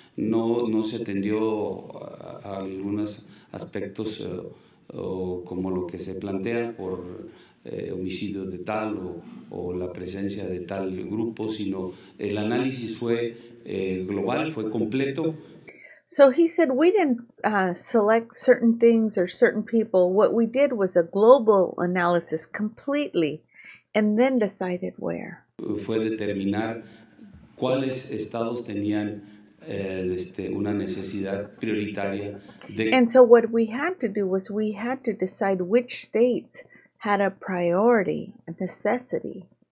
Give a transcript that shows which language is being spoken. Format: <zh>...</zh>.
<es>No se atendió a algunos aspectos o como lo que se plantea por homicidio de tal o la presencia de tal grupo, sino el análisis fue global, fue completo.</es> <en>So he said we didn't select certain things or certain people. What we did was a global analysis completely and then decided where.</en> <es>Fue determinar cuáles estados tenían una necesidad prioritaria de.</es> <en>And so what we had to do was we had to decide which states had a priority, a necessity.</en>